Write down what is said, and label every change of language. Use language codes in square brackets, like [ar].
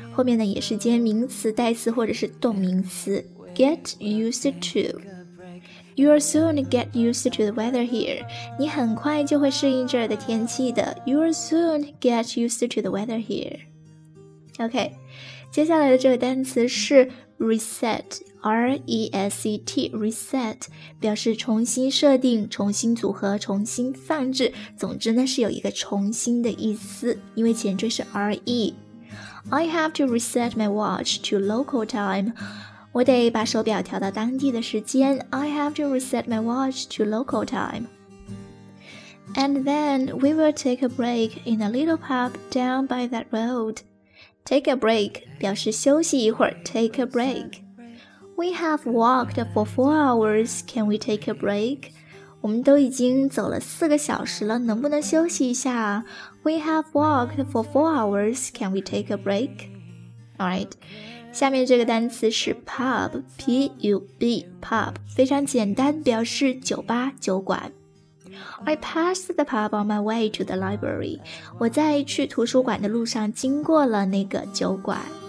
[zh] 后面呢也是接名词、代词或者是动名词。 [en] Get used to. You are soon get used to the weather here. [zh] 你很快就会适应这儿的天气的。 [en] You are soon get used to the weather here. [zh] OK, 接下来的这个单词是 reset, R-E-S-E-T, reset, 表示重新设定、重新组合、重新放置。总之呢是有一个重新的意思，因为前缀是 R-E. [en] I have to reset my watch to local time. [zh] 我得把手表调到当地的时间。 [en] I have to reset my watch to local time. And then we will take a break in a little pub down by that road. Take a break [zh] 表示休息一会儿。Take a break. [en] We have walked for 4 hours. Can we take a break? [zh] 我们都已经走了4个小时了，能不能休息一下？ [en] We have walked for 4 hours. Can we take a break? Alright. [zh] 下面这个单词是 pub, P-U-B, pub, 非常简单，表示酒吧、酒馆。 [en] I passed the pub on my way to the library. [zh] 我在去图书馆的路上经过了那个酒馆。